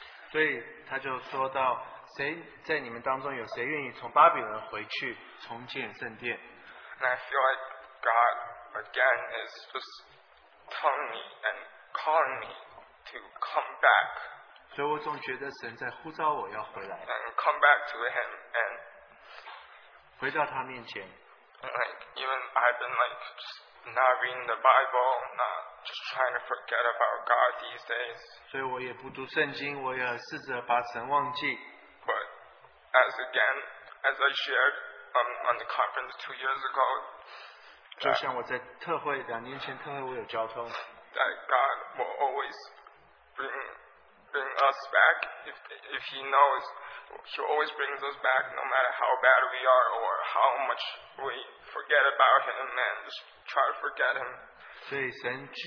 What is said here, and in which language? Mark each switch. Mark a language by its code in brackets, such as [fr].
[zh] 对，他就说到，谁在你们当中有谁愿意从巴比伦回去重建圣殿？ [en] And I feel like God again is just telling me and calling me to come back. [zh] 所以我总觉得神在呼召我要回来, [en] and come back to him and [zh] 回到他面前, [en] and like even I've been like not reading the Bible, not just trying to forget about God these days. [zh] 所以我也不读圣经, 我也试着把神忘记, [en] but as again, as I shared on the conference 2 years ago, [zh] 就像我在特会两年前特会我有交通, [en] that God will always bring us back if He knows. He always brings us back no matter how bad we are or how much we forget about Him and just try to forget Him.